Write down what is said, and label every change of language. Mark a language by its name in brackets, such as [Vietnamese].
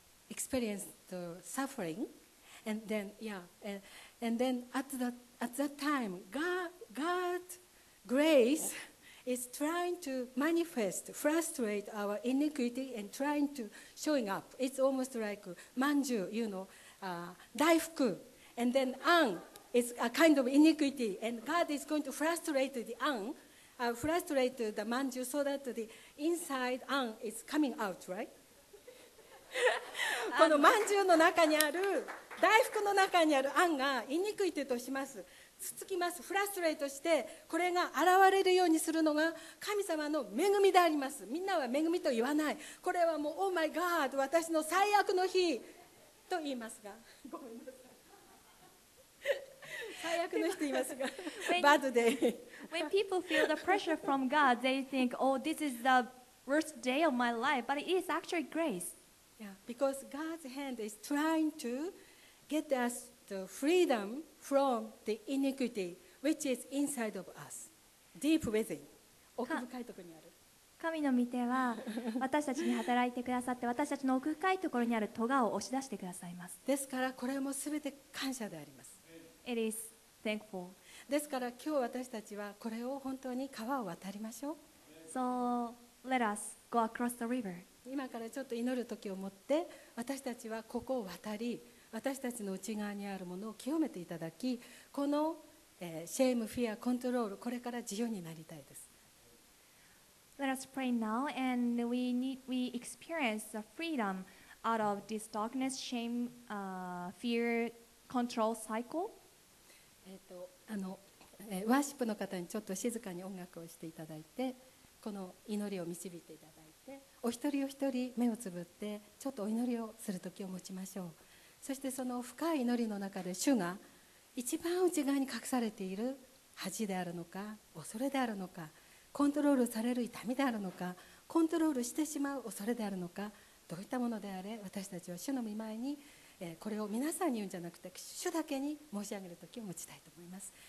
[English] experience the suffering, and then at that time, God's grace is trying to manifest, frustrate our iniquity and trying to showing up. It's almost like manju, daifuku, and then an is a kind of iniquity, and God is going to frustrate the an, frustrate the manju so that the inside an is coming out, right? [Japanese] このまんじゅうの中にある大福の中にあるあんが醜いとします、つつきます、フラストレートして、これが現れるようにするのが神様の恵みであります。みんなは恵みと言わない、これはもう [English] Oh my God、 [Japanese] 私の最悪の日と言いますが、ごめんなさい、最悪の日と言いますが、 [English] Bad day. When people feel the pressure from God, they think, oh, this is the worst day of my life, but it is actually grace Yeah, because God's hand is trying to get us the freedom from the iniquity which is inside of us, deep within. [Japanese] 奥深いところにある。神の御手は私たちに働いてくださって、私たちの奥深いところにある咎を押し出してくださいます。ですからこれもすべて感謝であります。 [English] It is thankful. [Japanese] ですから今日私たちはこれを本当に川を渡りましょう。 [English] So let us go across the river. [Japanese] 今からちょっと祈る時を持って、私たちはここを渡り、私たちの内側にあるものを清めていただき、この、シェーム、フィア、コントロール、これから自由になりたいです。 [English] Let us pray now, and we experience the freedom out of this darkness, shame, fear, control cycle. [Japanese] ワーシップの方にちょっと静かに音楽をしていただいて、この祈りを導いていただいて、お一人お一人目をつぶってちょっとお祈りをする時を持ちましょう。そしてその深い祈りの中で、主が一番内側に隠されている恥であるのか、恐れであるのか、コントロールされる痛みであるのか、コントロールしてしまう恐れであるのか、どういったものであれ、私たちは主の御前に、これを皆さんに言うんじゃなくて主だけに申し上げる時を持ちたいと思います。